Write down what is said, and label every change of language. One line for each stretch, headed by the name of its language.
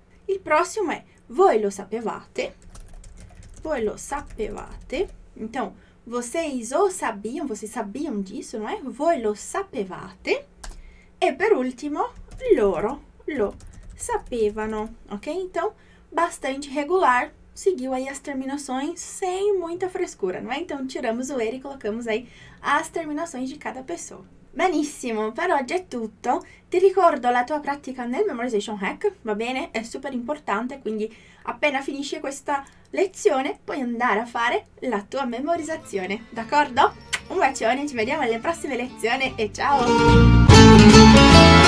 Italian: Il prossimo è voi lo sapevate. Voi lo sapevate.
Portuguese: Então, vocês o sabiam, vocês sabiam disso, não é?
Italian: Voi lo sapevate. E per ultimo, loro lo sapevano, ok?
Portuguese: Então, bastante regular. Seguiu aí as terminações sem muita frescura, não é? Então, tiramos o ere e colocamos aí as terminações de cada pessoa.
Italian: Benissimo, per oggi è tutto. Ti ricordo la tua pratica nel Memorization Hack, va bene? È super importante, quindi appena finisci questa lezione puoi andare a fare la tua memorizzazione, d'accordo? Un bacione, ci vediamo alle prossime lezioni e ciao!